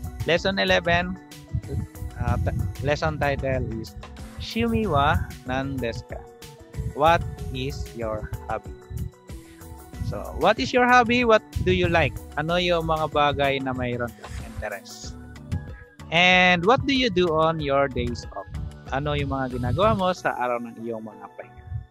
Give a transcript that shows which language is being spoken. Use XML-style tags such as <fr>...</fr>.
<en>Lesson 11, lesson title is</en> <ja>Shumi wa nan desu ka?</ja> <en>What is your hobby? So, what is your hobby? What do you like?</en> <tl>Ano yung mga bagay na mayroon kang interest?</tl> <en>And what do you do on your days off?</en> <tl>Ano yung mga ginagawa mo sa araw ng iyong mga pahinga?</tl>